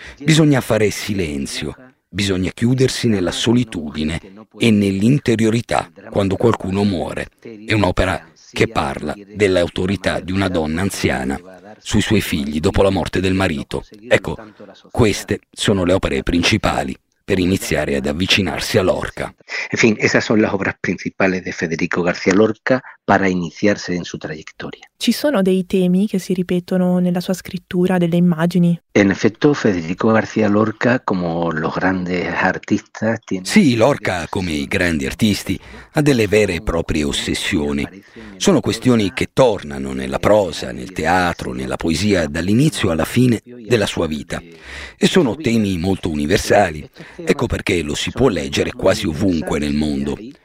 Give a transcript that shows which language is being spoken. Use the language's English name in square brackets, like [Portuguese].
[Italian] Bisogna fare silenzio, bisogna chiudersi nella solitudine e nell'interiorità quando qualcuno muore. È un'opera che parla dell'autorità di una donna anziana sui suoi figli dopo la morte del marito. Ecco, queste sono le opere principali per iniziare ad avvicinarsi a Lorca. [Spanish] En fin, esas son las obras principales de Federico García Lorca para iniciarse en su trayectoria. [Italian] Ci sono dei temi che si ripetono nella sua scrittura, delle immagini? [Spanish] En efecto, Federico García Lorca, como los grandes artistas, tiene... [Italian] Sì, Lorca, come i grandi artisti, ha delle vere e proprie ossessioni. Sono questioni che tornano nella prosa, nel teatro, nella poesia, dall'inizio alla fine della sua vita. E sono temi molto universali, ecco perché lo si può leggere quasi ovunque nel mondo.